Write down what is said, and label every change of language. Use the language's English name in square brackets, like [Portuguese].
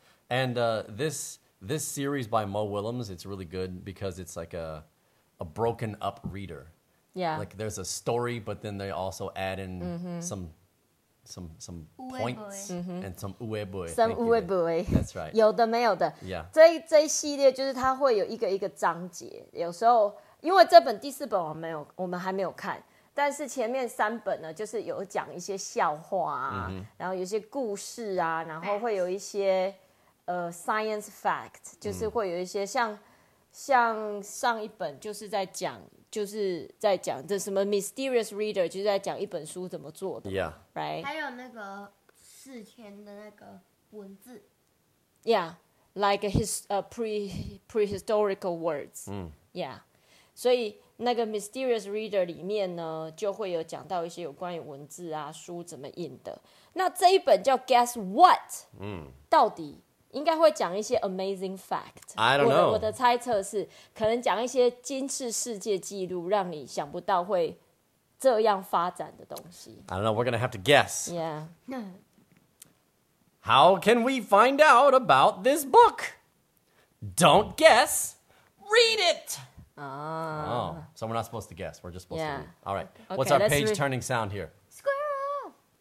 [English] And this series by Mo Willems, it's really good because it's like a broken up reader. Yeah. Like there's a story, but then they also add in some points and some uebui. That's right. [Chinese] 有的没有的 [English] yeah. [Chinese] 这一系列就是它会有一个章节有时候 因为这本第四本我们还没有看，但是前面三本呢，就是有讲一些笑话啊，然后有些故事啊，然后会有一些 [English] science fact， [Chinese] 就是会有一些像上一本就是在讲就是在讲这什么 mysterious reader 就是在讲一本书怎么做的 [English] yeah right [Chinese] 还有那个事前的那个文字 [English] yeah like prehistorical words、 mm. [Chinese] yeah 所以那个 mysterious reader 里面呢就会有讲到一些有关于文字啊书怎么印的那这一本叫 guess what、 mm. 到底应该会讲一些 [English] amazing fact I don't know [Chinese] 我的猜测是可能讲一些今次世界纪录让你想不到会这样发展的东西 [English] I don't know, we're gonna have to guess Yeah How can we find out about this book? Don't guess, read it! Oh, so we're not supposed to guess, we're just supposed to read Alright, okay, what's our page turning sound here? Squirrel!